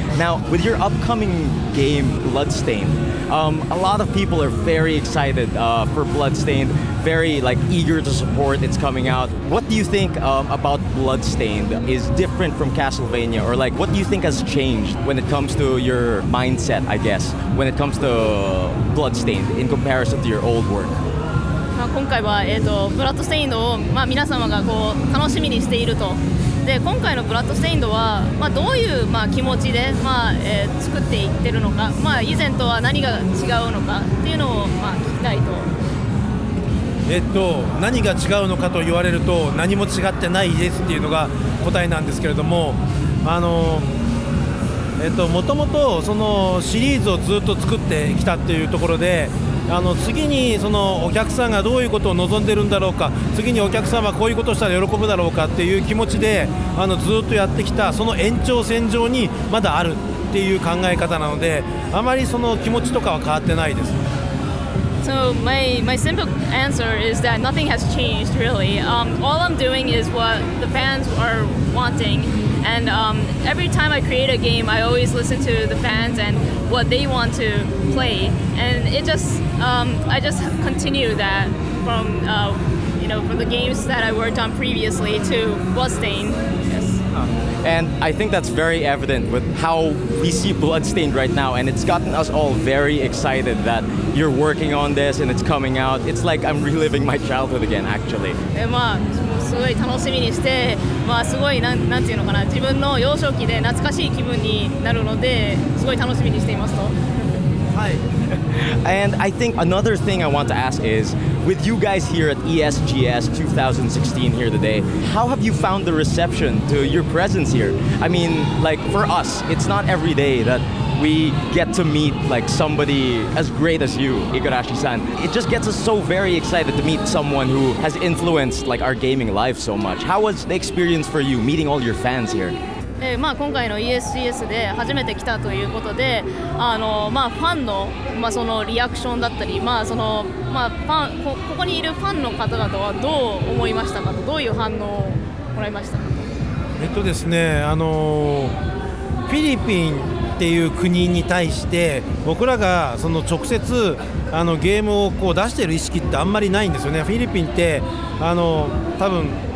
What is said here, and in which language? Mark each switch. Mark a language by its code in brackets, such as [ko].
[en] Now, with your upcoming game, Bloodstained, a lot of people are very excited for Bloodstained, very, like, eager to support its coming out. What do you think about Bloodstained is different from Castlevania? Or, like, what do you think has changed when it comes to your mindset, I guess, when it comes to Bloodstained in comparison to your old work? [ja] 今回は、ブラッドステインドを、まあ、皆様がこう楽しみにしていると。で今回のブラッドステインドは、まあ、どういう、まあ、気持ちで、まあ作っていってるのか、まあ、以前とは何が違うのかっていうのを、まあ、聞きたいと。何が違うのかと言われると何も違ってないですっていうのが答えなんですけれども、もともとそのシリーズをずっと作ってきたっていうところで、次にそのお客さんがどういうことを望んでるんだろうか、次にお客さんはこういうことをしたら喜ぶだろうかっていう気持ちでずっとやってきた、その延長線上にまだあるっていう考え方なので、あまりその気持ちとかは変わってないです。 [en] So my simple answer is that nothing has changed really. All I'm doing is what the fans are wanting. And every time I create a game, I always listen to the fans and what they want to play. And it just, I just continue that from, you know, from the games that I worked on previously to Bloodstained. Yes. And I think that's very evident with how we see Bloodstained right now. And it's gotten us all very excited that you're working on this and it's coming out. It's like I'm reliving my childhood again, actually. [ja] すごい楽しみにして、まあ、すごい なんていうのかな、自分の幼少期で懐かしい気分になるので、すごい楽しみにしていますと。はい。 [en] And I think another thing I want to ask is, with you guys here at ESGS 2016 here today, how have you found the reception to your presence here? I mean, like, for us, it's not every day that we get to meet, like, somebody as great as you, Igarashi-san. It just gets us so very excited to meet someone who has influenced, like, our gaming life so much. How was the experience for you meeting all your fans here? [ja] まあ、今回の ESGS で初めて来たということで、まあ、ファン の、まあ、そのリアクションだったり、まあそのまあ、ファン ここにいるファンの方々はどう思いましたかと、どういう反応をもらいましたかと。ですね、フィリピンっていう国に対して僕らがその直接ゲームをこう出している意識ってあんまりないんですよね。フィリピンって多分